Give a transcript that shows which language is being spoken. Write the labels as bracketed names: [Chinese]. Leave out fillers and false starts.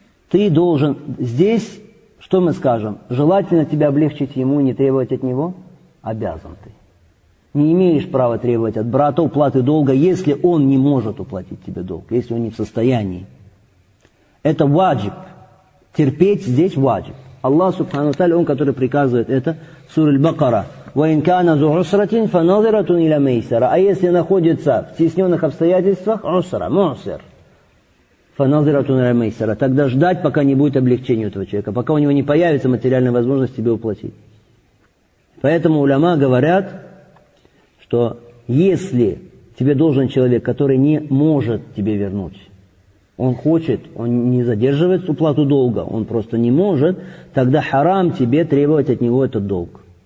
[Russian] Ты должен здесь, что мы скажем? Желательно тебя облегчить ему и не требовать от него? Обязан ты. Не имеешь права требовать от брата уплаты долга, если он не может уплатить тебе долг, если он не в состоянии. Это ваджиб. Терпеть здесь ваджиб. Аллах субхану таля, он, который приказывает это, сура аль-Бакара. [Arabic] وَإِنْ كَانَ ذُو عُسْرَةٍ فَنَظِرَةٌ إِلَى مَيْسَرَةٍ. [Russian] А если находится в стесненных обстоятельствах, [Arabic] عُسْرَ, مُعْسِر, فَنَظِرَةٌ إِلَى مَيْسَرَةٍ. [Russian] Тогда ждать, пока не будет облегчения у этого человека, пока у него не появится материальная возможность тебе уплатить. Поэтому уляма говорят, что если тебе должен человек, который не может тебе вернуть, он хочет, он не задерживает уплату долга, он просто не может, тогда харам тебе требовать от него этот долг.